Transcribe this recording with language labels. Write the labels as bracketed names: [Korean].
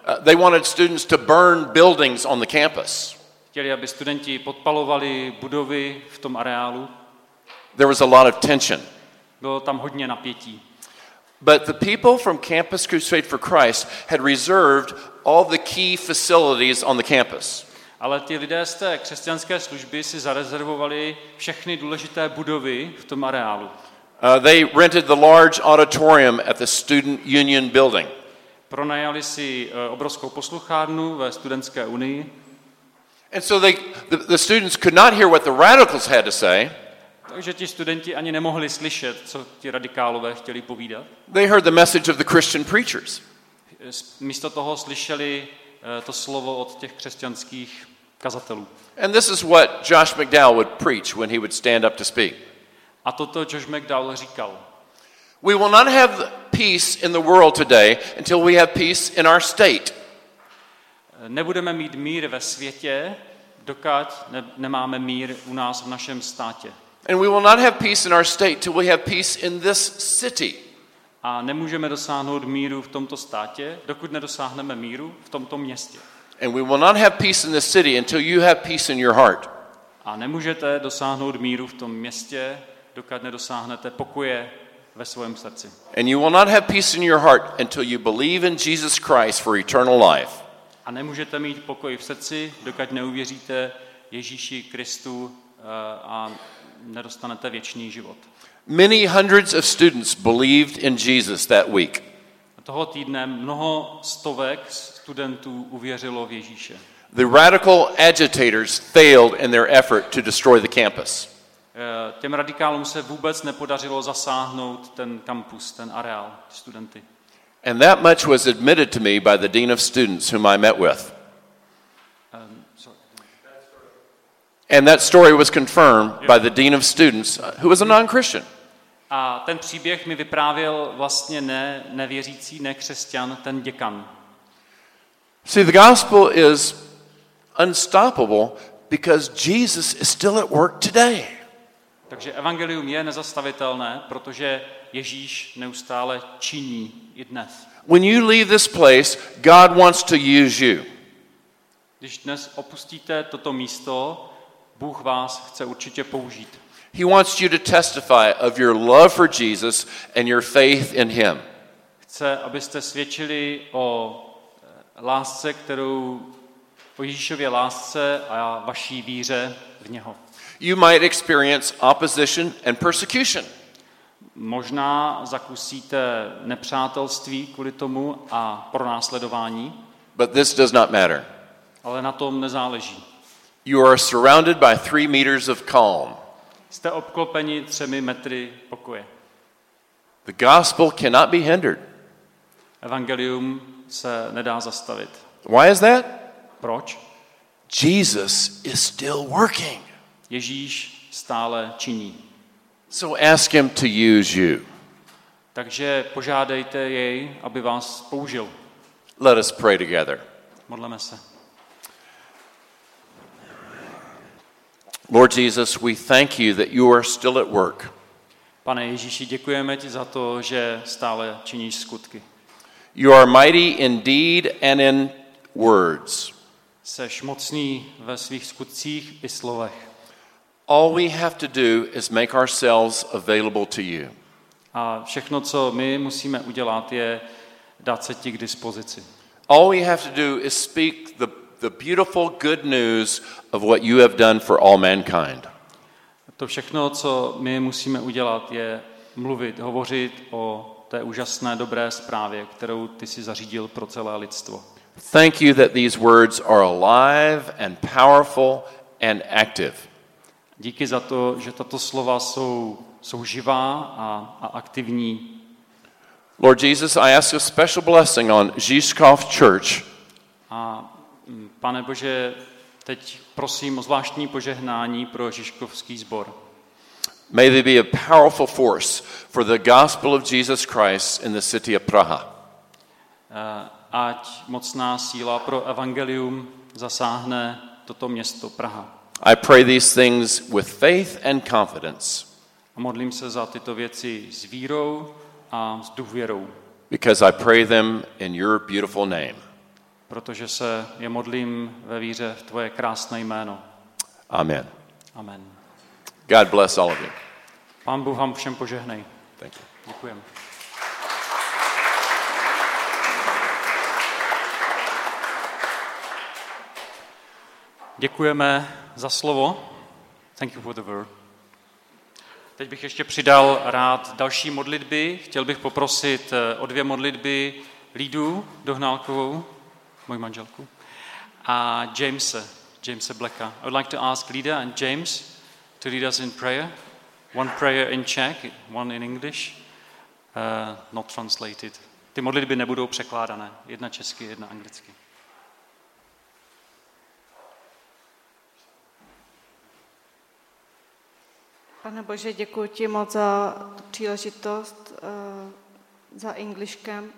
[English] They wanted students to burn buildings on the campus. [Czech] Chtěli, aby studenti podpalovali budovy v tom areálu. [English] There was a lot of tension. [Czech] Bylo tam hodně napětí. [English] But the people from Campus Crusade for Christ had reserved all the key facilities on the campus. [Czech] Ale ti lidé z té křesťanské služby si zarezervovali všechny důležité budovy v tom areálu. [English] They rented the large auditorium at the Student Union building. [Czech] Pronajali si obrovskou posluchárnu ve studentské unii. [English] And so the students could not hear what the radicals had to say. [Czech] Takže ti studenti ani nemohli slyšet, co ti radikálové chtěli povídat. [English] They heard the message of the Christian preachers. [Czech] Místo toho slyšeli to slovo od těch křesťanských kazatelů. [English] And this is what Josh McDowell would preach when he would stand up to speak. [Czech] A toto Josh McDowell říkal. [English] We will not have peace in the world today until we have peace in our state. [Czech] Nebudeme mít mír ve světě, dokud nemáme mír u nás v našem státě. [English] And we will not have peace in our state till we have peace in this city. [Czech] A nemůžeme dosáhnout míru v tomto státě, dokud nedosáhneme míru v tomto městě. [English] And we will not have peace in this city until you have peace in your heart. [Czech] A nemůžete dosáhnout míru v tom městě, dokud nedosáhnete pokoje ve svém srdci. [English] And you will not have peace in your heart until you believe in Jesus Christ for eternal life. [Czech] A nemůžete mít pokoj v srdci, dokud neuvěříte Ježíši Kristu a nedostanete věčný život. [English] Many hundreds of students believed in Jesus that week. [Czech] Toho týdne mnoho stovek studentů uvěřilo v Ježíše. [English] The radical agitators failed in their effort to destroy the campus. [Czech] Těm radikálům se vůbec nepodařilo zasáhnout ten kampus, ten areál, studenty. [English] And that much was admitted to me by the dean of students whom I met with. And that story was confirmed by the dean of students who was a non-Christian. [Czech] A ten příběh mi vyprávěl vlastně nevěřící, nekřesťan, ten děkan. [English] See, the gospel is unstoppable because Jesus is still at work today. [Czech] Takže evangelium je nezastavitelné, protože Ježíš neustále činí i dnes. [English] When you leave this place, God wants to use you. [Czech] Když dnes opustíte toto místo, Bůh vás chce určitě použít. [English] He wants you to testify of your love for Jesus and your faith in him. [Czech] Chce, abyste svědčili o lásce, kterou po Ježíšově lásce a vaší víře v něho. [English] You might experience opposition and persecution. [Czech] možná zakusíte nepřátelství kvůli tomu a pronásledování. [English] But this does not matter. [Czech] Ale na tom nezáleží. [English] You are surrounded by 3 meters of calm. [Czech] Jste obklopeni 3 metry pokoje. [English] The gospel cannot be hindered. [Czech] Evangelium se nedá zastavit. [English] Why is that? [Czech] Proč? [English] Jesus is still working. [Czech] Ježíš stále činí. [English] So ask him to use you. [Czech] Takže požádejte jej, aby vás použil. [English] Let us pray together. [Czech] Modleme se. [English] Lord Jesus, we thank you that you are still at work. [Czech] Pane Ježíši, děkujeme ti za to, že stále činíš skutky. [English] You are mighty in deed and in words. [Czech] Seš mocný ve svých skutcích i slovech. [English] All we have to do is make ourselves available to you. [Czech] A všechno, co my musíme udělat, je dát se ti k dispozici. [English] All we have to do is speak the beautiful good news of what you have done for all mankind. [Czech] To všechno, co my musíme udělat, je mluvit, hovořit o té úžasné dobré zprávě, kterou ty jsi zařídil pro celé lidstvo. [English] Thank you that these words are alive and powerful and active. [Czech] Díky za to, že tato slova jsou živá a aktivní. [English] Lord Jesus, I ask a special blessing on Žižkov Church. [Czech] A Pane Bože, teď prosím o zvláštní požehnání pro Žižkovský sbor. [English] May they be a powerful force for the gospel of Jesus Christ in the city of Praha. [Czech] Ať mocná síla pro evangelium zasáhne toto město Praha. [English] I pray these things with faith and confidence. [Czech] A modlím se za tyto věci s vírou a s důvěrou. [English] Because I pray them in your beautiful name. [Czech] Protože se je modlím ve víře v tvoje krásné jméno. [English] Amen. [Czech] Amen. [English] God bless all of you. [Czech] Pán Bůh vám všem požehnej. [English] Thank you. [Czech] Děkujem. Děkujeme za slovo. [English] Thank you for the word. [Czech] Teď bych ještě přidal rád další modlitby. Chtěl bych poprosit o 2 modlitby Lídu Dohnálkovou, moji manželku, a Jamese Blacka. [English] I would like to ask Lida and James to lead us in prayer. One prayer in Czech, one in English, not translated. [Czech] Ty modlitby nebudou překládané. Jedna česky, jedna anglicky. Pane Bože, děkuji ti moc za tu příležitost za Englishkem.